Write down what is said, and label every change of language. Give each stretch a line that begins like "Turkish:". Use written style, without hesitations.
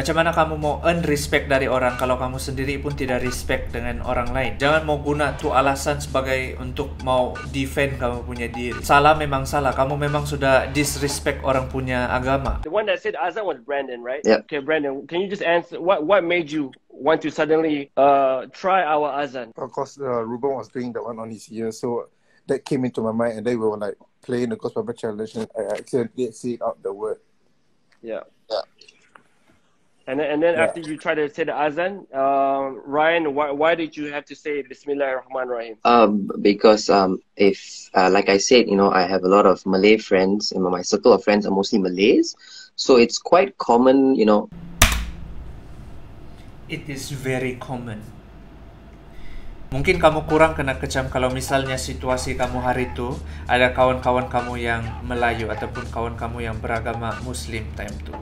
Malay: Macam mana kamu mau earn respect dari orang kalau kamu sendiri pun tidak respect dengan orang lain? Jangan mau guna tu alasan sebagai untuk mau defend kamu punya diri. Salah memang salah. Kamu memang sudah disrespect orang punya agama.
English: The one that said Azan was Brandon, right? Yeah. Okay, Brandon, can you just answer what made you want to suddenly try our Azan? Of course, Ruben was doing that one on his ear, so that came into my mind, and then we were like playing the gospel challenge, and I accidentally said out the word. Yeah. Yeah. And then yeah. After you try to say the azan, Ryan, why did you have to say Bismillahirrahmanirrahim? Because like I said, you know, I have a lot of Malay friends, and my circle of friends are mostly Malays, so it's quite common, you know. It is very common.
Malay: Mungkin kamu kurang kena kecam kalau misalnya situasi kamu hari itu ada kawan-kawan kamu yang Melayu ataupun kawan kamu yang beragama Muslim time itu.